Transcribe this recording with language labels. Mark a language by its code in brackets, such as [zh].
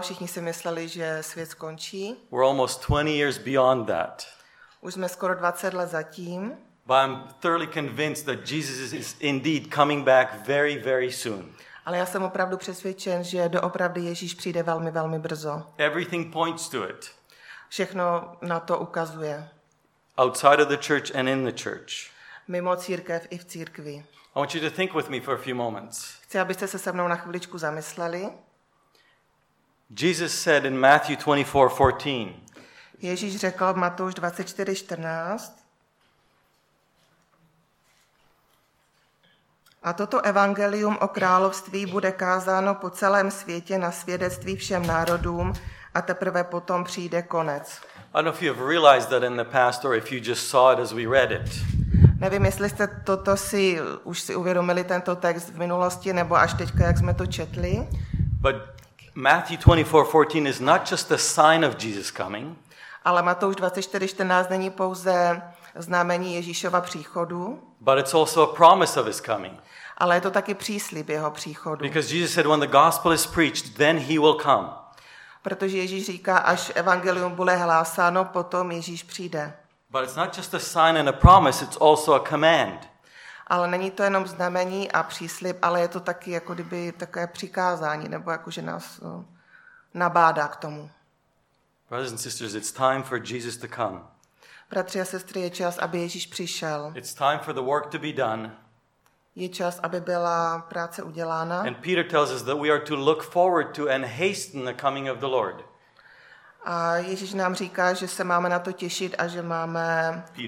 [cs] Všichni si mysleli, že svět skončí. [en] We're almost 20 years beyond that. [cs] Už jsme skoro 20 let zatím. [en] But I'm thoroughly convinced that Jesus is indeed coming back very, very soon. [cs] Ale já jsem opravdu přesvědčen, že doopravdy Ježíš přijde velmi, velmi brzo. [en] Everything points to it. [cs] Všechno na to ukazuje. [en] Outside of the church and in the church. [cs] Mimo církev i v církvi. [en] I want you to think with me for a few moments. [cs] Chci, abyste se se mnou na chviličku zamysleli. [en] Jesus said in Matthew 24:14. [cs] Ježíš řekl v Matouš 24:14. A toto evangelium o království bude kázáno po celém světě na svědectví všem národům a teprve potom přijde konec. [en] I don't know if you've realized that in the past or if you just saw it as we read it. [cs] Nevím, jestli jste toto si už si uvědomili tento text v minulosti nebo až teďka, jak jsme to četli. [en] But Matthew 24:14 is not just a sign of Jesus coming. [cs] Ale Matouš 24:14 není pouze znamení Ježíšova příchodu. [en] But it's also a promise of his coming. [cs] Ale je to taky příslib jeho příchodu. [en] Because Jesus said when the gospel is preached, then he will come. [cs] Protože Ježíš říká, až evangelium bude hlásáno, potom Ježíš přijde. [en] But it's not just a sign and a promise, it's also a command. [cs] Ale není to jenom znamení a příslib, ale je to taky jako kdyby takové přikázání nebo jakože nás nabádá k tomu. [en] Brothers and sisters, it's time for Jesus to come. [cs] Bratři a sestry, je čas, aby Ježíš přišel. [en] It's time for the work to be done. [cs] Je čas, aby byla práce udělána. [en] And Peter tells us that we are to look forward to and hasten the coming of the Lord. [cs] A Ježíš nám říká, že se máme na to těšit a že máme